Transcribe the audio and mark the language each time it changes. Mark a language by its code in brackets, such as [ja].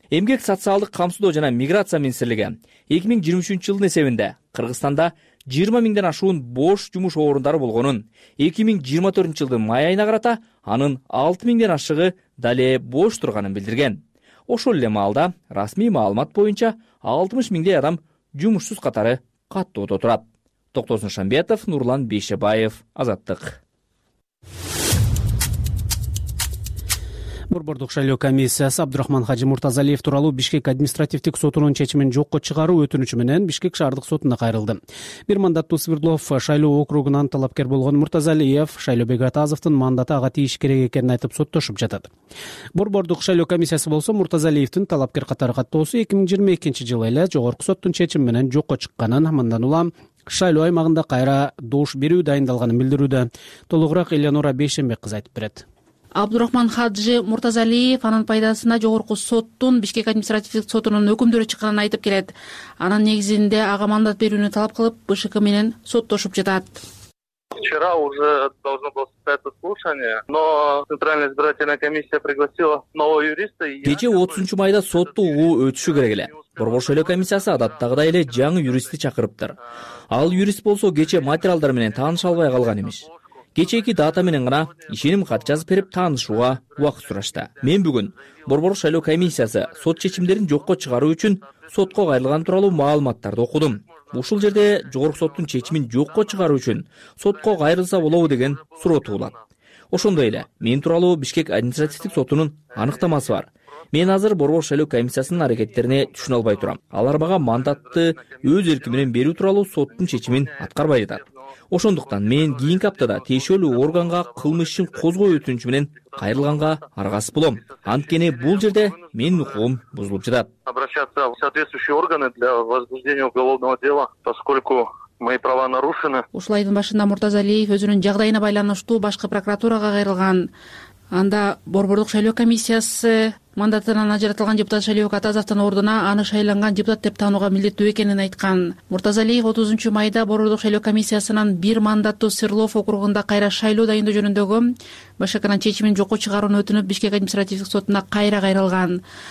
[ky] Эмгек социалдык камсыздоо жана миграция министрлиги 2023 жылдын эсебинде Кыргызстанда 20 миңден ашуун бош жумуш орундары болгонун, 2024 жылдын май айына карата анын 6 миңден ашыгы дале бош турганын билдирген. Ошол эле маалда расмий маалымат боюнча 60 миңдей адам жумушсуз катары каттоодо турат. Токтосун Шамбетов, Нурлан Бейшебаев, Азаттык. Борбордук шайлоо комиссиясы Абдрахман Хажы Муртазалиев тууралуу Бишкек административдик сотунун чечимин жокко чыгаруу өтүнүчү менен Бишкек шаардык сотуна кайрылды. Бир мандаттуу Свердлов шайлоо округунан талапкер болгон Муртазалиев Шайлообек Атазовдун мандаты ага тийиш керек экенин айтып соттошуп жатат. Борбордук шайлоо комиссиясы болсо Муртазалиевдин талапкер катары каттоосу 2022 жылы эле жогорку соттун чечими менен жокко чыкканын, мындан улам шайлоо аймагында кайра добуш берүү дайындалганын билдирүүдө. Толугураак Эленора Бейшенбек кызы айтып берет. Абдурахман Хаджы Муртазалиев анын пайдасына жогорку соттун Бишкек административдик сотунун өкүмдөрү чыкканын айтып келет. Анын негизинде ага мандат берүүнү талап кылып БШК менен соттошуп жатат. [ru] Вчера уже должно было состояться слушание, но Центральная избирательная комиссия пригласила нового юриста. [ky] Кечээ 30 майда сотту угуу өтүшү керек эле. Борбор шайлоо комиссиясы адаттагыдай эле жаңы юристти чакырыптыр. Ал юрист болсо кечээ материалдар менен тааныша албай калган эмиш. Кечээки дата менен гана ишеним кат жазып берип таанышууга убакыт сурашты. Мен бүгүн Борбор шайлоо комиссиясы сот чечимдерин жокко чыгаруу үчүн сотко кайрылган тууралуу маалыматтарды окудум. Ушул жерде жогорку соттун чечимин жокко чыгаруу үчүн сотко кайрылса болобу деген суроо туулат. Ошондой эле мен тууралуу Бишкек административдик сотунун аныктамасы бар. Мен азыр Борбор шайлоо комиссиясынын аракеттерине түшүнө албай турам. Алар мага мандатты өз эрки менен берүү тууралуу соттун чечимин аткарбай жатат. Ошондуктан мен кийинки аптада тиешелүү органга кылмыш ишин козгоо өтүнүчү менен кайрылганга аргасыз болом. Анткени бул жерде менин укугум бузулуп жатат. [ru] Обращаться в соответствующие органы для возбуждения уголовного дела, поскольку мои права нарушены. [ky] Ушул айдын башында Муртазалиев өзүнүн жагдайына байланыштуу башкы прокуратурага кайрылган. Анда Борбордук шайлоо комиссиясы мандатынан ажыратылган депутат Шалиев Атазовдун ордуна аны шайланган депутат деп таанууга милдеттүү экенин айткан. Муртазалиев 30 майда Борбордук шайлоо комиссиясынан бир мандаттуу Свердлов округунда кайра шайлоо дайындоо жөнүндөгү БШКнын чечимин жокко чыгарууну өтүнүп Бишкек административдик сотуна кайра кайрылган.